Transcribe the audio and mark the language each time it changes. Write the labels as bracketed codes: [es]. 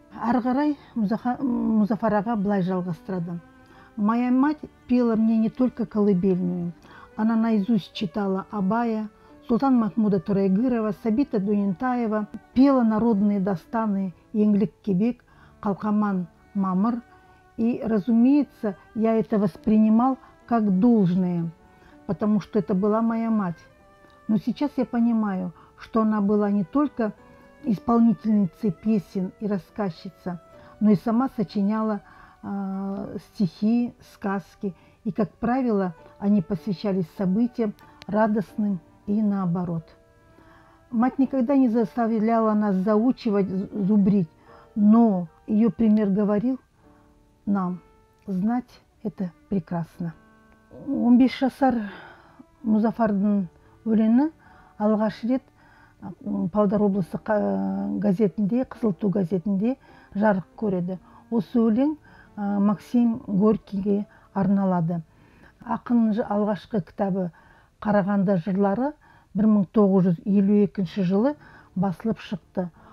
[kk] Әрі қарай Музафар аға былай жалғастырады. [ru] «Моя мать пела мне не только колыбельную. Она наизусть читала Абая, Султан Махмуда Турайгырова, Сабита Дуентаева, пела народные дастаны Еңлік Кебек, Қалқаман Мамыр. И, разумеется, я это воспринимал как должное, потому что это была моя мать. Но сейчас я понимаю, что она была не только исполнительницей песен и рассказчица, но и сама сочиняла стихи, сказки. И, как правило, они посвящались событиям радостным и наоборот. Мать никогда не заставляла нас заучивать, зубрить, но ее пример говорил нам: знать это прекрасно». [kk] 15 жасар Музафардың өлеңі алғаш рет Павлодар облысы газетінде, «Қызыл ту» газетінде жарық көреді. Осы өлең Максим Горькийге арналады. Ақын алғашқы кітабы «Қарағанды жырлары» 1952 жылы басылып шықты.